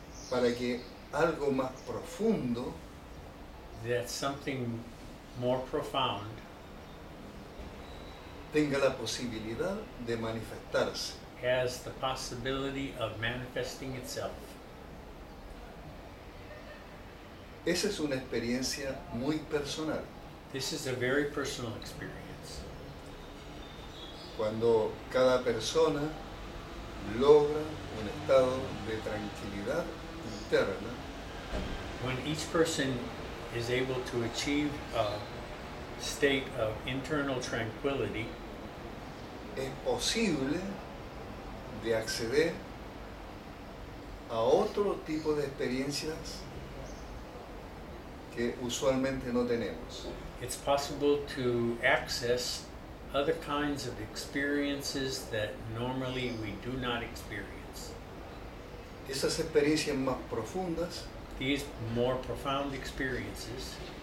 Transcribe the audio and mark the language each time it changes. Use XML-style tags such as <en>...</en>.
<es>Para que algo más profundo.</es> <en>That something more profound.</en> <es>Tenga la posibilidad de manifestarse.</es> <en>Has the possibility of manifesting itself.</en> <es>Esa es una experiencia muy personal.</es> <en>This is a very personal experience.</en> <es>Cuando cada persona logra un estado de tranquilidad interna.</es> <en>When each person is able to achieve a state of internal tranquility,</en> <es>es posible de acceder a otro tipo de experiencias que usualmente no tenemos.</es> <en>It's possible to access other kinds of experiences that normally we do not experience.</en> <es>Esas experiencias más profundas,</es> <en>these more profound experiences,</en>